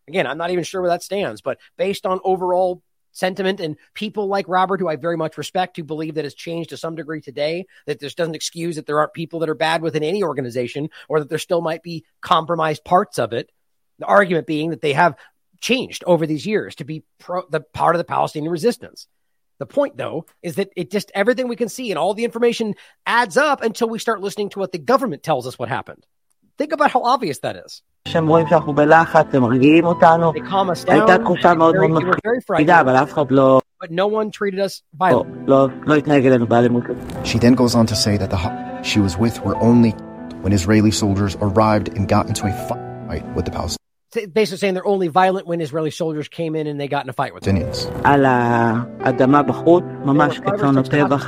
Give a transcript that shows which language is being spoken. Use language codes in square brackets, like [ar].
[en] Again, I'm not even sure where that stands, but based on overall sentiment and people like Robert, who I very much respect, who believe that has changed to some degree today, that this doesn't excuse that there aren't people that are bad within any organization, or that there still might be compromised parts of it. The argument being that they have changed over these years to be the part of the Palestinian resistance. The point, though, is that it just, everything we can see and all the information adds up until we start listening to what the government tells us what happened. Think about how obvious that is. [he] שם רואים שאנחנו בלחץ, הם מרגיעים אותנו. הייתה תקופה מאוד מאוד מפחידה, אבל אף אחד לא... [en] But no one treated us violently. [he] לא התנהג אלינו באלימות. [en] She then goes on to say that the she was with were only when Israeli soldiers arrived and got into a fight with the Palestinians. Basically saying they're only violent when Israeli soldiers came in and they got in a fight with them. [he] על האדמה בחוץ, ממש כצאן הטבח.